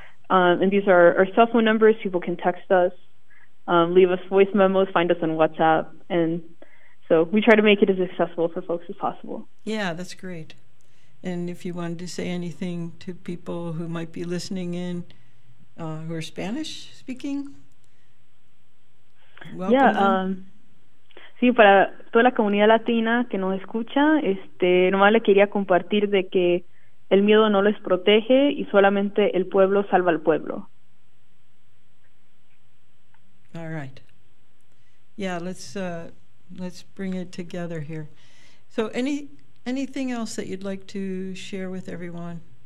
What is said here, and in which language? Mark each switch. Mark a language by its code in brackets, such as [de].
[en] And these are our cell phone numbers. People can text us, leave us voice memos, find us on WhatsApp. And so we try to make it as accessible for folks as possible. Yeah, that's great. And if you wanted to say anything to people who might be listening in, who are Spanish speaking, welcome. [es] Yeah, Sí, para toda la comunidad latina que nos escucha, nomás le quería compartir de que el miedo no les protege y solamente el pueblo salva al pueblo. [en] All right. Yeah, let's bring it together here. So anything else that you'd like to share with everyone?